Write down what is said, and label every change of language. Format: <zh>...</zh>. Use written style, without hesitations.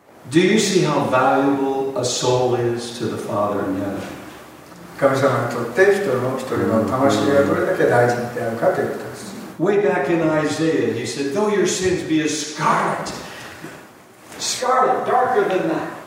<en>Do you see how valuable a soul is to the Father in heaven?</en> <ja>神様にとって人の一人の魂がどれだけ大事であるかということです。</ja> <en>Way back in Isaiah, he said, though your sins be as scarlet, scarlet, darker than that.</en>